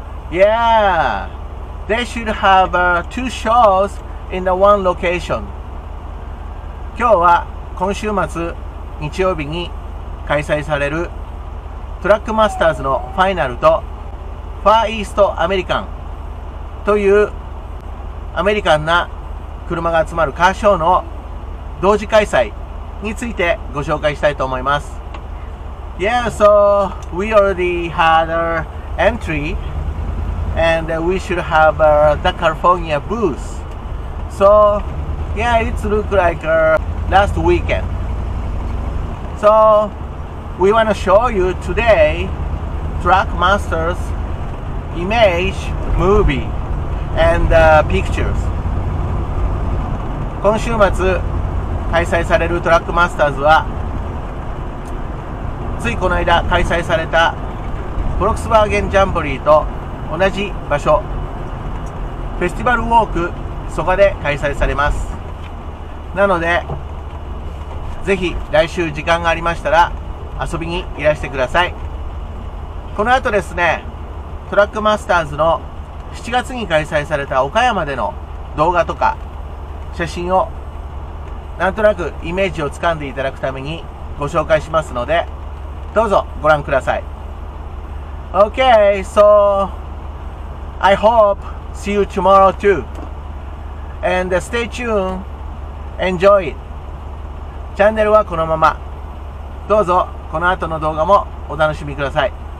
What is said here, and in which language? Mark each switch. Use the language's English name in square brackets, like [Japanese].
[English] Yeah, they should have two shows in the one location. [Japanese] 今日は今週末日曜日に開催されるトラックマスターズのファイナルとファーイーストアメリカンというアメリカンな車が集まるカーショーの同時開催についてご紹介したいと思います。 [English] Yeah, so we already had aEntry and we should have the California booth. So, yeah, it looks like last weekend. So, we want to show you today Truck Masters image, movie, and pictures. [Japanese] 今週末開催されるトラックマスターズはついこの間開催されたフォルクスワーゲンジャンボリーと同じ場所フェスティバルウォークそばで開催されます。なのでぜひ来週時間がありましたら遊びにいらしてください。この後ですねトラックマスターズの7月に開催された岡山での動画とか写真をなんとなくイメージをつかんでいただくためにご紹介しますのでどうぞご覧ください。 [English] Okay, so I hope see you tomorrow too. And stay tuned, enjoy it. [Japanese] チャンネルはこのまま。どうぞこの後の動画もお楽しみください。